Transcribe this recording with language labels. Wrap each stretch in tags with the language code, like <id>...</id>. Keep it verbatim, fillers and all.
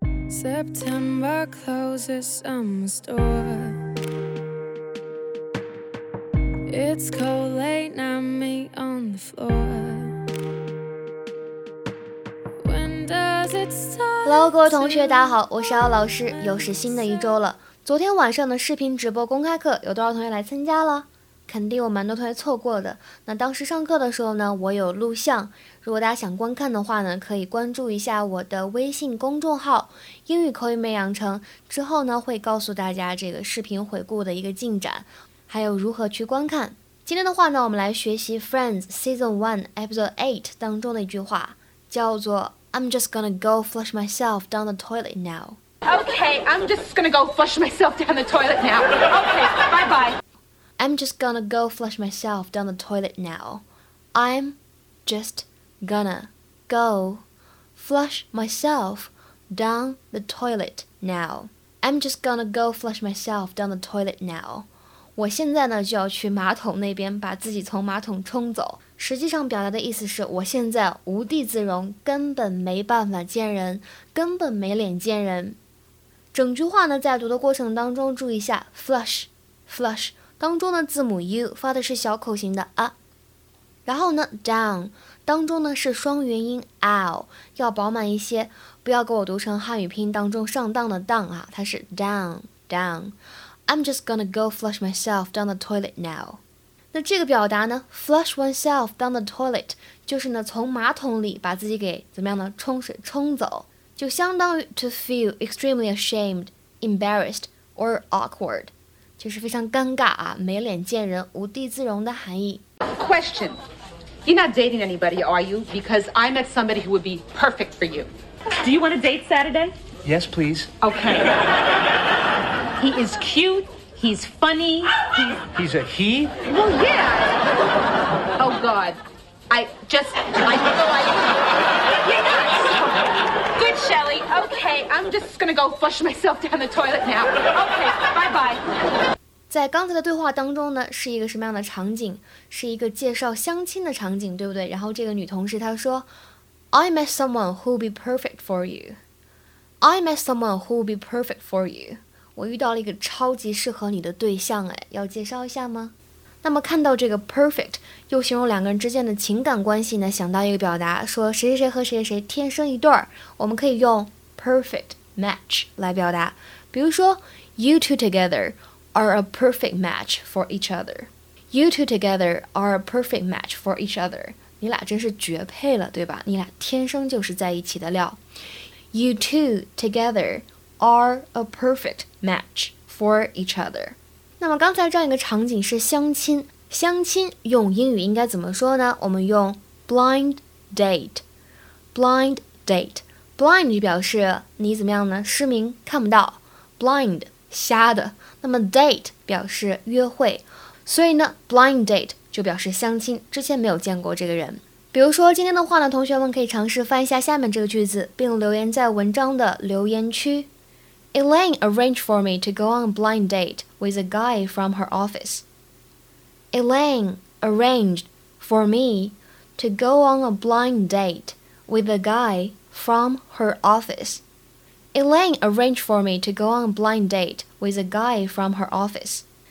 <en>September closes summer store. It's cold late night, me on the floor. When does it start?</en> <zh>Hello， 各位同学，大家好，我是姚老师。又是新的一周了。昨天晚上的视频直播公开课有多少同学来参加了？肯定有蛮多同学错过的。那当时上课的时候呢，我有录像，如果大家想观看的话呢，可以关注一下我的微信公众号英语口语美养成，之后呢会告诉大家这个视频回顾的一个进展，还有如何去观看。今天的话呢，我们来学习 Friends Season one Episode eight 当中的一句话，叫做</zh> <en>I'm just gonna go flush myself down the toilet now. Okay, I'm just gonna go flush myself down the toilet now. Okay, bye bye. I'm just gonna go flush myself down the toilet now. I'm just gonna go flush myself down the toilet now. I'm just gonna go flush myself down the toilet now.</en> <zh>我现在呢就要去马桶那边把自己从马桶冲走。实际上表达的意思是我现在无地自容，根本没办法见人，根本没脸见人。整句话呢在读的过程当中注意一下 flush, flush. 当中的字母 u 发的是小口型的啊，然后呢 down 当中呢是双元音 ow， 要饱满一些，不要给我读成汉语拼音当中上当的当啊，它是 down down。</zh> <en>I'm just gonna go flush myself down the toilet now。</en> <zh>那这个表达呢 ，flush oneself down the toilet 就是呢从马桶里把自己给怎么样呢冲水冲走，就相当于</zh> <en>to feel extremely ashamed, embarrassed or awkward。</en> <zh>就是非常尴尬啊，没脸见人，无地自容的含义。</zh> <en>Question: You're not dating anybody, are you? Because I met somebody who would be perfect for you. Do you want to date Saturday? Yes, please. Okay. He is cute. He's funny. He's, he's a he? Well, yeah. Oh God, I just I feel like you're nuts. Good, Shelley. Okay, I'm just gonna go flush myself down the toilet now. Okay, bye bye.</en> <zh>在刚才的对话当中呢，是一个什么样的场景？是一个介绍相亲的场景，对不对？然后这个女同事她说</zh> <en>I met someone who'll be perfect for you. I met someone who'll be perfect for you.</en> <zh>我遇到了一个超级适合你的对象，哎，要介绍一下吗？那么看到这个 perfect 又形容两个人之间的情感关系呢，想到一个表达说谁谁谁和谁谁天生一对儿，我们可以用 perfect match 来表达。比如说</zh> <en>You two together are a perfect match for each other. You two together are a perfect match for each other.</en> <zh>你俩真是绝配了，对吧？你俩天生就是在一起的料。</zh> <en>You two together are a perfect match for each other.</en> <zh>那么刚才这样一个场景是相亲，相亲用英语应该怎么说呢？我们用 blind date.</zh> <en>Blind date.</en> <zh>Blind 就表示你怎么样呢？失明，看不到。Blind. 瞎的，那么 date 表示约会，所以呢 blind date 就表示相亲，之前没有见过这个人。比如说今天的话呢，同学们可以尝试翻一下下面这个句子，并留言在文章的留言区。</zh> <en>Elaine arranged for me to go on a blind date with a guy from her office. Elaine arranged for me to go on a blind date with a guy from her office. Elaine arranged for me to go on a blind date with a guy from her office.</en>